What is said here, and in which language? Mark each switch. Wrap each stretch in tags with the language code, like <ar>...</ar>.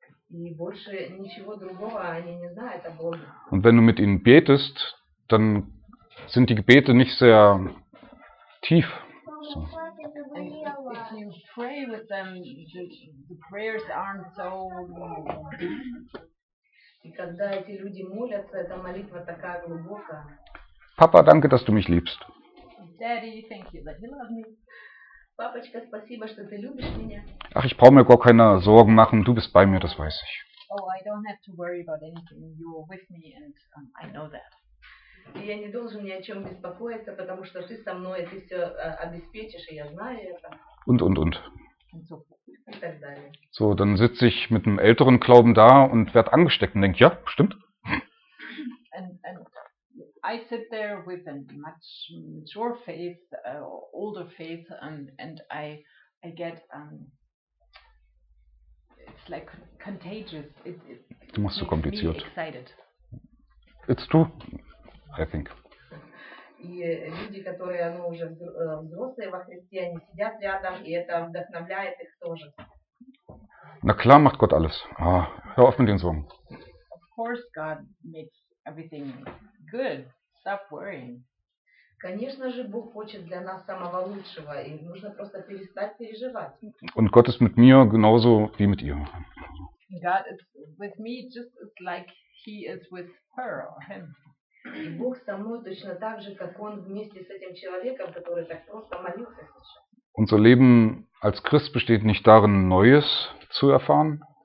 <ru>И больше ничего другого они не знают о Боге.</ru> <de>Und wenn du mit ihnen betest, dann sind die Gebete nicht sehr tief. So.</de> <en>If you pray with them, the prayers aren't so</en> <ru>И когда эти люди молятся, эта молитва такая глубокая. Папа,</ru> <de>danke, dass du mich liebst.</de> <en>Daddy, thank you that you love me.</en> <ru>Папочка, спасибо, что ты любишь меня.</ru> <de>Ach, ich brauche mir gar keine Sorgen machen, du bist bei mir, das weiß ich.</de> <en>Oh, I don't have to worry about anything. You're with me and I know that.</en> <ru>Я не должен ни о чем беспокоиться, потому что ты со мной, ты все обеспечишь, и я знаю это.</ru> <de>Und. Und so. Und</de> <ru>так далее.</ru> <de>So, dann sitze ich mit einem älteren Glauben da und werde angesteckt und denke, ja, stimmt.</de> <en>And I sit there with a much mature faith, older faith, and I get it's like contagious.</en> <de>Du machst so kompliziert.</de> <en>Excited. It's true, I think.</en> <ru>И люди, которые уже взрослые во Христе, они сидят рядом, и это вдохновляет их тоже.</ru> <de>Na klar macht Gott alles. Ah, hör auf mit den Sorgen.</de> <en>Of course God makes everything good. Stop worrying.</en> <ru>Конечно же, Бог хочет для нас самого лучшего, и нужно просто перестать переживать.</ru> <de>Und Gott ist mit mir genauso wie mit ihr.</de> <en>God is with me just like he is with her or him.</en> <ru>И Бог со мной точно так же, как он вместе с этим человеком, который так просто молился сейчас.</ru> <de>Unser Leben als Christ besteht nicht darin, Neues zu erfahren.</de>